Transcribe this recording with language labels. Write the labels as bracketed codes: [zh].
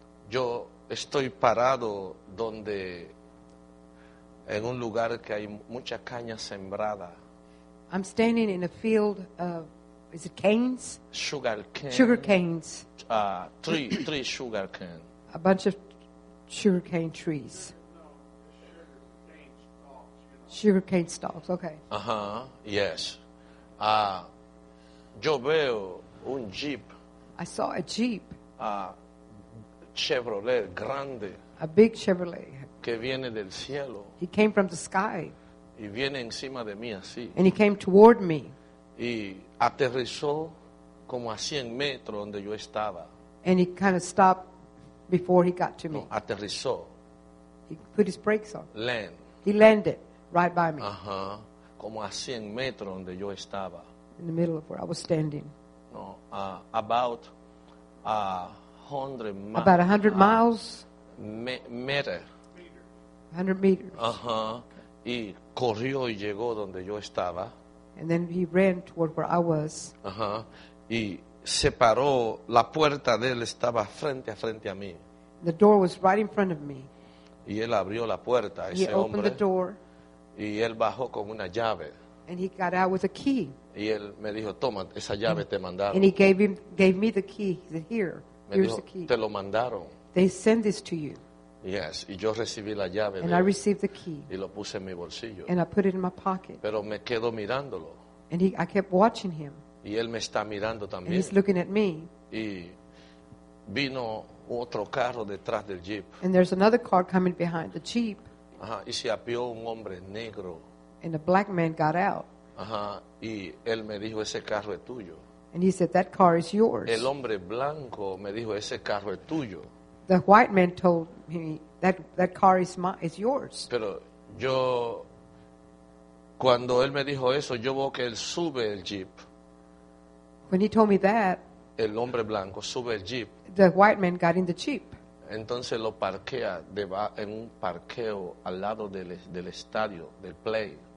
[es] Yo estoy parado donde, en un lugar que hay mucha caña sembrada. [en] I'm standing in a field of, is it canes? Sugar cane. Sugar canes. Three sugar cane. A bunch of sugar cane trees. Sugar cane stalks, okay. [es] Yes. Yo veo un jeep. [en] I saw a jeep. [es] Chevrolet grande. [en] A big Chevrolet. [es] Que viene del cielo. [en] He came from the sky. [es] Y viene encima de mí así. [en] And he came toward me. [es] Y aterrizó como a 100 metros donde yo estaba. [en] And he kind of stopped before he got to me. [es] No, aterrizó. [en] He put his brakes on. Land. He landed right by me. [es] Como a 100 metros donde yo estaba. [en] In the middle of where I was standing. No, about 100 miles. About 100 miles. Meter. 100 meters. [es] Y corrió y llegó donde yo estaba. [en] And then he ran toward where I was. [es] Y se paró, la puerta de él estaba frente a frente a mí. [en] The door was right in front of me. [es] Y él abrió la puerta, [en] he [es] ese hombre. [en] He opened the door. [es] Y él bajó con una llave. [en] And he got out with a key. [es] Y él me dijo, toma, esa llave te mandaron. [en] And he gave me the key. He said, here, here's the key. [es] Te lo mandaron. [en] They send this to you. [es] Yes, y yo recibí la llave. [en] And I received the key. [es] Y lo puse en mi bolsillo. [en] And I put it in my pocket. [es] Pero me quedo mirándolo. [en] And I kept watching him. [es] Y él me está mirando también. [en] And he's looking at me. [es] Y vino otro carro detrás del jeep. [en] And there's another car coming behind the jeep. [es] Y se apió un hombre negro. [en] And a black man got out. [es] Y él me dijo, ese carro es tuyo. [en] And he said, that car is yours. [es] El hombre blanco me dijo, ese carro es tuyo. [en] The white man told me, that car is yours. [es] Pero yo, cuando él me dijo eso, yo veo que él sube el jeep. [en] When he told me that, [es] el hombre blanco sube el jeep. [en] The white man got in the jeep. [es] Entonces lo parquea en un parqueo al lado del estadio, del play.